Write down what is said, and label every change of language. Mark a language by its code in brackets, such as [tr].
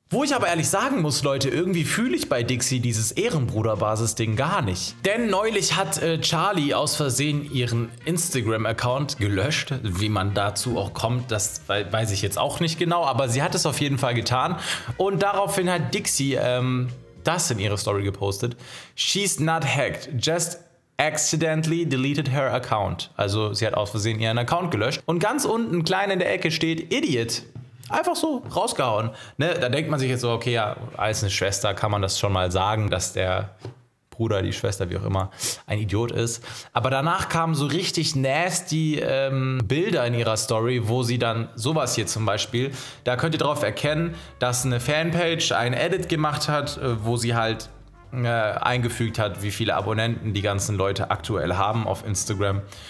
[de] Wo ich aber ehrlich sagen muss, Leute, irgendwie fühle ich bei Dixie dieses Ehrenbruder-Basis-Ding gar nicht. Denn neulich hat Charlie aus Versehen ihren Instagram-Account gelöscht. Wie man dazu auch kommt, das weiß ich jetzt auch nicht genau, aber sie hat es auf jeden Fall getan. Und daraufhin hat Dixie das in ihre Story gepostet. [en] She's not hacked, just accidentally deleted her account. [de] Also sie hat aus Versehen ihren Account gelöscht. Und ganz unten, klein in der Ecke, steht Idiot. Einfach so rausgehauen. Ne? Da denkt man sich jetzt so, okay, ja, als eine Schwester kann man das schon mal sagen, dass der Bruder, die Schwester, wie auch immer, ein Idiot ist. Aber danach kamen so richtig nasty Bilder in ihrer Story, wo sie dann sowas hier zum Beispiel, da könnt ihr drauf erkennen, dass eine Fanpage ein Edit gemacht hat, wo sie halt eingefügt hat, wie viele Abonnenten die ganzen Leute aktuell haben auf Instagram.